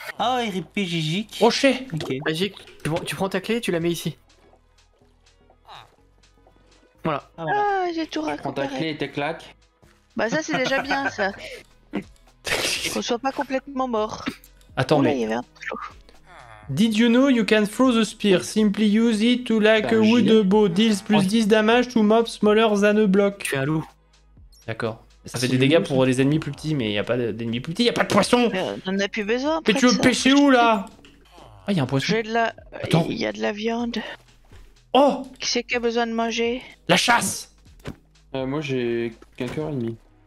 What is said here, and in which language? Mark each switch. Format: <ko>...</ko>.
<fr>Ah, oh, RIP Gigique. Oh, chais. Okay. Gigique, tu prends ta clé et tu la mets ici. Voilà. Ah, voilà. Ah, j'ai tout raconté. Prends ta clé et tes claques. Bah, ça, c'est déjà bien ça. Qu'on soit pas complètement mort. Attends, oula, mais. Il y avait un...</fr> <en>Did you know you can throw the spear? Simply use it to like a wood bow. Deals plus 10 damage to mobs smaller than a block.</en> <fr>Tu es un loup. D'accord. Ça fait des dégâts pour les ennemis plus petits, mais y'a pas d'ennemis plus petits, y'a pas de poisson! J'en ai plus besoin! Mais tu veux pêcher où là? Ah, y'a un poisson! J'ai de la. Attends! Y'a de la viande! Oh! Qui c'est qui a besoin de manger? La chasse! Moi j'ai qu'un cœur et demi.</fr>